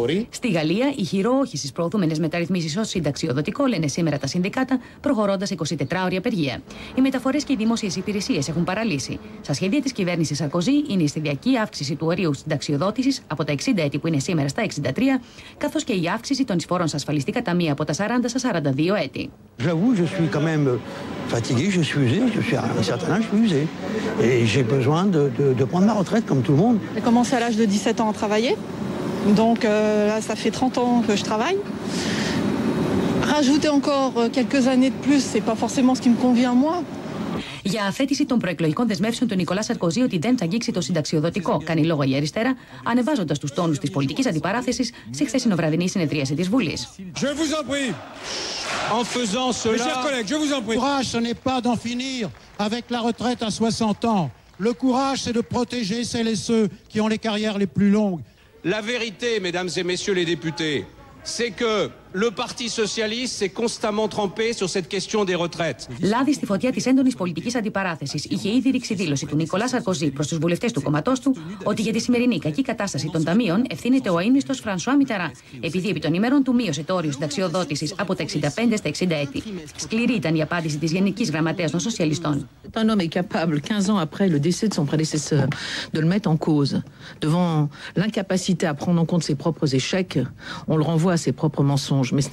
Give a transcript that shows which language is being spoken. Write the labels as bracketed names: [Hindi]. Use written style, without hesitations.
[Greek] Στη Γαλλία, οι χειρόοχοι στις προωθούμενες μεταρρυθμίσεις ως συνταξιοδοτικό λένε σήμερα τα συνδικάτα, προχωρώντας 24-ωρη απεργία. Οι μεταφορές και οι δημόσιες υπηρεσίες έχουν παραλύσει. Στα σχέδια της κυβέρνησης Σαρκοζή είναι η σταδιακή αύξηση του ορίου συνταξιοδότησης από τα 60 έτη που είναι σήμερα στα 63, καθώς και η αύξηση των εισφορών στα ασφαλιστικά ταμεία από τα 40 στα 42 έτη. [French] J'avoue, je suis quand même fatigué, je suis usé, je suis un certain âge, je suis usé. Et j'ai besoin de prendre ma retraite comme tout le monde. J'ai commencé à l'âge de 17 ans à travailler. Donc là, ça fait 30 ans que je travaille. Rajouter encore quelques années de plus, c'est pas forcément ce qui me convient à moi. [Greek] Για αφέτηση των προεκλογικών δεσμεύσεων του Νικολά Σαρκοζή ότι δεν θα αγγίξει το συνταξιοδοτικό, κάνει λόγο η αριστερά, ανεβάζοντας τους τόνους της πολιτικής αντιπαράθεσης στη χθεσινοβραδινή συνεδρίαση της Βουλής. [French] Je vous en prie, en faisant cela, mes chers collègues, je vous en prie. Le courage, ce n'est pas d'en finir avec la retraite à 60 ans. Le courage, c'est de protéger celles et ceux qui ont les carrières les plus longues. La vérité, mesdames et messieurs les députés, c'est que le Parti Socialiste s'est constamment trempé sur cette question des retraites. [Greek] Λάδι στη φωτιά της έντονης πολιτικής αντιπαράθεσης είχε ήδη ρίξει δήλωση του Νικολά Σαρκοζή προς τους βουλευτές του κομματός του ότι για τη σημερινή κακή κατάσταση των ταμείων ευθύνεται ο αείμνηστος Φρανσουά Μιτερά, επειδή επί των ημερών του μείωσε το όριο συνταξιοδότησης από τα 65 στα 60 έτη. Σκληρή ήταν η απάντηση της Γενικής Γραμματέας των Σοσιαλιστών. [French] Un homme capable, 15 ans après le décès de son prédécesseur, de le mettre en cause devant l'incapacité à prendre en compte ses propres échecs, on le renvoie à ses propres mensonges.